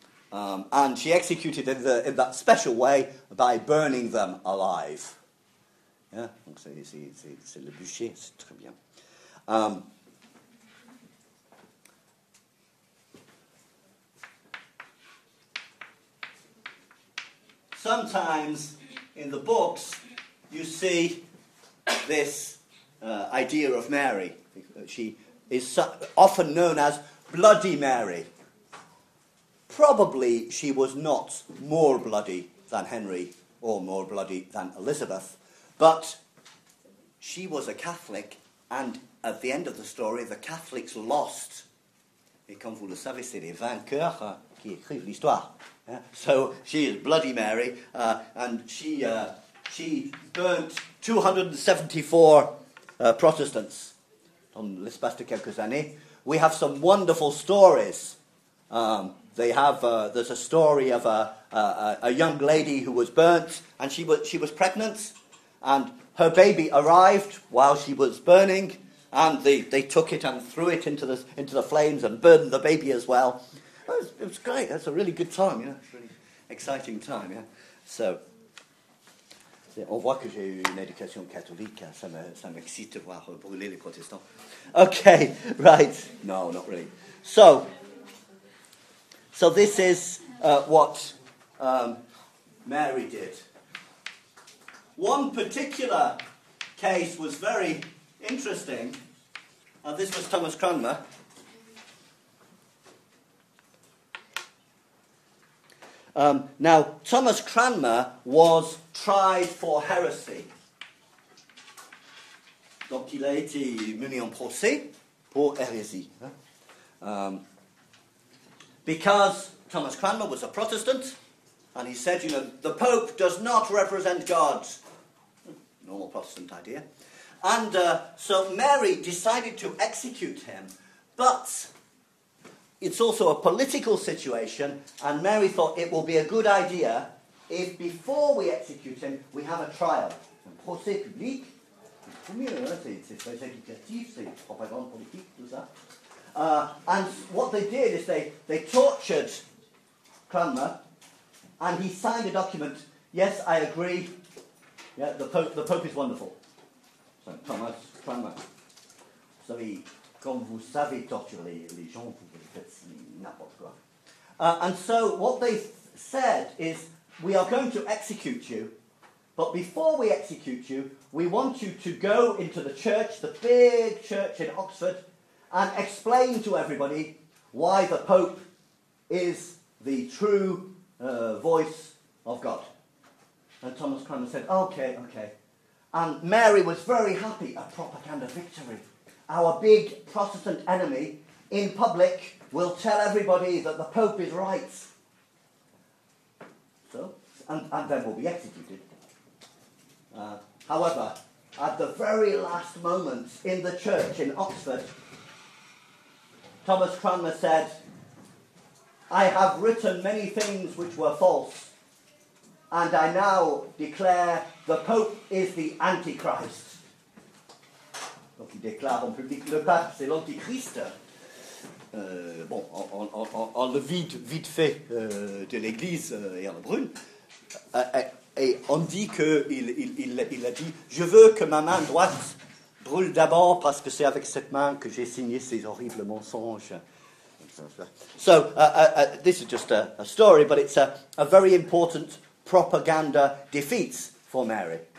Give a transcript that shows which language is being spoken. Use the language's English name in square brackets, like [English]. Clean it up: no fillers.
[English] And she executed in that special way by burning them alive. [French] Yeah, donc c'est le bûcher, c'est très bien. [English] Sometimes in the books you see this idea of Mary. She is often known as Bloody Mary. Probably she was not more bloody than Henry or more bloody than Elizabeth, but she was a Catholic, and at the end of the story the Catholics lost. [French] Et comme vous le savez, c'est les vainqueurs qui écrivent l'histoire. [English] So she is Bloody Mary, and she burnt 274 Protestants [French] dans l'espace de quelques années. [English] we have some wonderful stories. They have there's a story of a young lady who was burnt, and she was pregnant, and her baby arrived while she was burning, and they took it and threw it into the flames and burned the baby as well. It was great. That's a really good time, you know. It's a really exciting time, yeah. [French] So, au revoir que j'ai eu une éducation catholique, ça m'excite voir brûler les protestants. [English] Okay, right. No, not really. So this is what Mary did. One particular case was very interesting. This was Thomas Cranmer. Now, Thomas Cranmer was tried for heresy. [French] Donc, il a été mené en procès pour hérésie. [English] Because Thomas Cranmer was a Protestant, and he said, you know, the Pope does not represent God. Normal Protestant idea. And so Mary decided to execute him, but it's also a political situation, and Mary thought it will be a good idea if before we execute him, we have a trial. [French] Un procès public, c'est mieux, c'est très éducatif, c'est propagande politique, tout ça. [English] And what they did is they tortured Cranmer, and he signed a document. Yes, I agree. Yeah, the Pope is wonderful. So Thomas Cranmer. So he, [French] comme vous savez, torture les gens, vous faites n'importe quoi. [English] And so what they said is, we are going to execute you, but before we execute you, we want you to go into the church, the big church in Oxford, and explain to everybody why the Pope is the true voice of God. And Thomas Cranmer said, okay, okay. And Mary was very happy, a propaganda victory. Our big Protestant enemy in public will tell everybody that the Pope is right. So, and then we'll be executed. However, at the very last moment in the church in Oxford, Thomas Cranmer said, I have written many things which were false, and I now declare the Pope is the Antichrist. [French] Donc il déclare en public, le pape, c'est l'Antichrist. Bon, on le vide vite fait de l'Église et on le brûle. Et on dit qu'il a dit, je veux que ma main droite brûle d'abord parce que c'est avec cette main que j'ai signé ces horribles mensonges. [English] So, this is just a story, but it's a very important propaganda defeat for Mary.